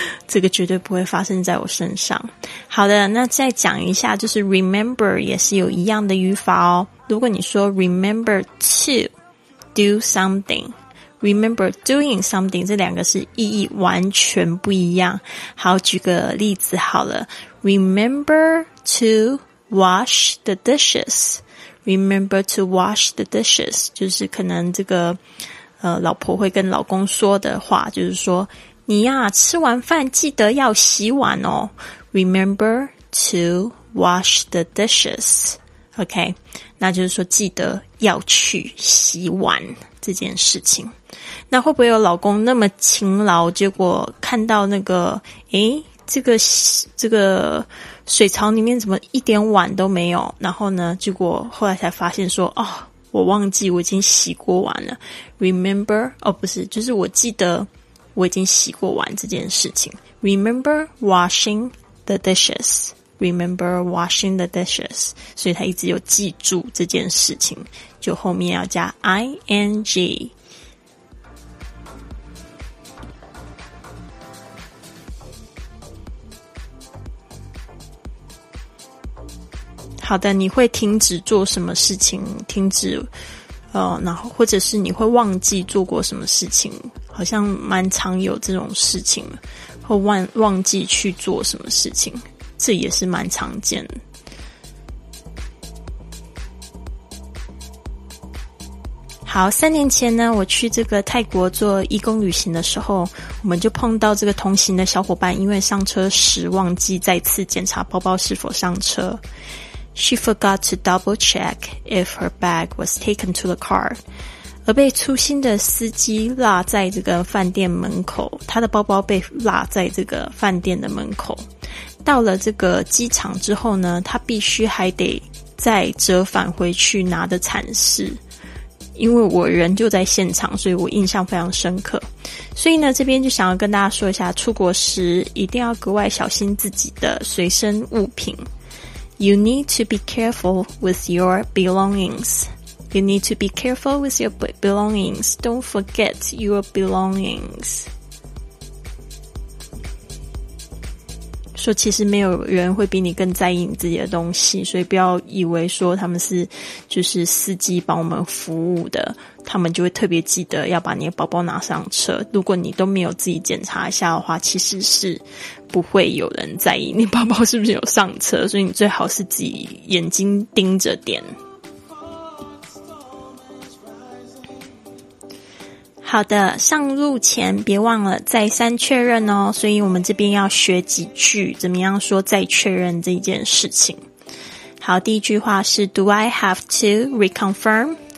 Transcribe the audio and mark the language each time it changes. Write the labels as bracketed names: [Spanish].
[Chinese] 这个绝对不会发生在我身上。好的，那再讲一下，就是 remember 也是有一样的语法哦。如果你说 [English] remember to do something, remember doing something, [Chinese] 这两个是意义完全不一样。好，举个例子好了。 [English] Remember to wash the dishes. Remember to wash the dishes. [Chinese] 就是可能这个老婆会跟老公说的话，就是说你呀，吃完饭记得要洗碗哦。 [English] Remember to wash the dishes. [Chinese] OK, 那就是说记得要去洗碗这件事情。那会不会有老公那么勤劳，结果看到那个，诶，这个水槽里面怎么一点碗都没有，然后呢，结果后来才发现说，哦，我忘记我已经洗过碗了。Remember， 哦不是，就是我记得我已经洗过碗这件事情。 [English] Remember washing the dishes， [Chinese] Remember washing the dishes， 所以他一直有记住这件事情，就后面要加 ing。好的，你会停止做什么事情，停止然后或者是你会忘记做过什么事情，好像蛮常有这种事情，或忘记去做什么事情，这也是蛮常见的。好，三年前呢，我去这个泰国做义工旅行的时候，我们就碰到这个同行的小伙伴，因为上车时忘记再次检查包包是否上车。 [English] She forgot to double check if her bag was taken to the car. [Chinese] 而被粗心的司机落在这个饭店门口，他的包包被落在这个饭店的门口。到了这个机场之后呢，他必须还得再折返回去拿的惨事。因为我人就在现场，所以我印象非常深刻。所以呢，这边就想要跟大家说一下，出国时一定要格外小心自己的随身物品。 [English] You need to be careful with your belongings. You need to be careful with your belongings. Don't forget your belongings. [Chinese] 说其实没有人会比你更在意你自己的东西，所以不要以为说他们是就是司机帮我们服务的，他们就会特别记得要把你的包包拿上车。如果你都没有自己检查一下的话，其实是不会有人在意你包包是不是有上车，所以你最好是自己眼睛盯着点。好的，上路前别忘了再三确认哦。所以我们这边要学几句怎么样说再确认这件事情。好，第一句话是 [English] Do I have to reconfirm?